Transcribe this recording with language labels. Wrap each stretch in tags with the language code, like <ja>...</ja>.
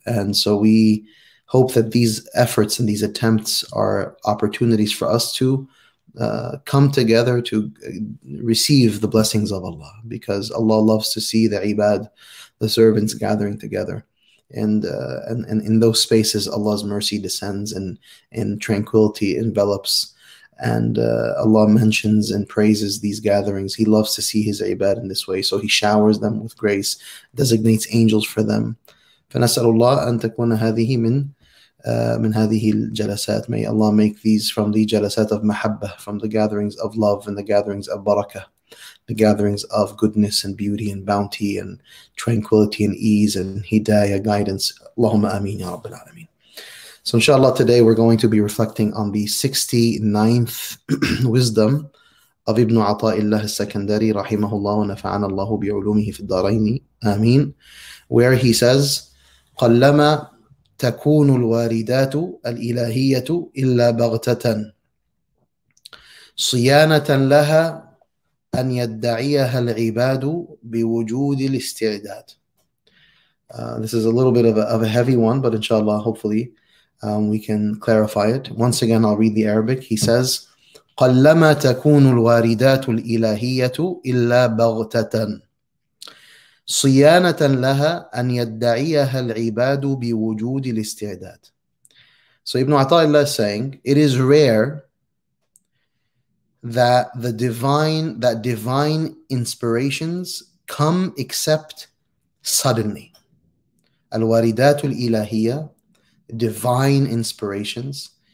<en>And so we hope that these efforts and these attempts are opportunities for us to come together to receive the blessings of Allah, because Allah loves to see the ibad, the servants, gathering together. And in those spaces, Allah's mercy descends and tranquility envelops. And Allah mentions and praises these gatherings. He loves to see His ibad in this way. So He showers them with grace, designates angels for them.</en> <ar>فَنَسَأَلُ اللَّهَ أَن تَكُونَ هَذِهِ من هذه الجلسات.</ar> <en>May Allah make these from the جلسات of محبه, from the gatherings of love and the gatherings of barakah, the gatherings of goodness and beauty and bounty and tranquility and ease and hidayah, guidance.</en> <ar>اللهم آمين يا رب العالمين.</ar> <en>So inshallah, today we're going to be reflecting on the 69th wisdom of Ibn Ata Allah Al Sakandari</en> <ar>rahimahullah wa nafa'ana Allah bi'ulumihi fi al-darayni.</ar> <en>Ameen.</en> <ar>Where he says, قَلَّمَا تَكُونُ الْوَارِدَاتُ الْإِلَهِيَّةُ إِلَّا بَغْتَةً صِيَانَةً لَهَا أَنْ يَدَّعِيَهَا الْعِبَادُ بِوُجُودِ الْإِسْتِعْدَادِ.</ar> <en>This is a little bit of a heavy one, but inshallah, hopefully, we can clarify it. Once again, I'll read the Arabic. He says,</en> <ar>قلما تكون الواردات الإلهية إلا بغتة صيانة لها أن يدعيها العباد بوجود الاستعداد.</ar> <en>So Ibn Ata'illah is saying, it is rare that divine inspirations come except suddenly.</en> <ar>الواردات الإلهية,</ar> <en>divine inspirations.</en>